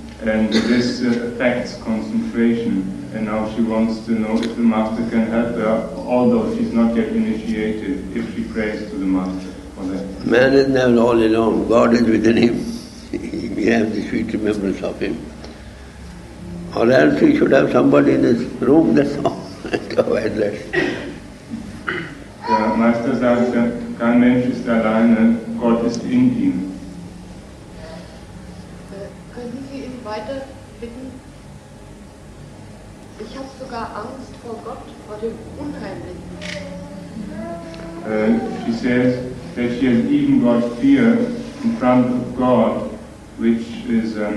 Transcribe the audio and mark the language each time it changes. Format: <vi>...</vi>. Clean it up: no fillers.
<en>And this affects concentration. And now she wants to know if the Master can help her, although she's not yet initiated, if she prays to the Master for that. Man is never all alone. God is within him. We have the sweet remembrance of him. Or else you should have somebody in this room, that's all. Go ahead, let's.</en> <de>Der Meister sagte, kein Mensch ist alleine, Gott ist in ihm. Können Sie ihn weiter bitten? Ich habe sogar Angst vor Gott, vor dem Unheimlichen.</de> <en>She says that she has even got fear in front of God, which is...</en>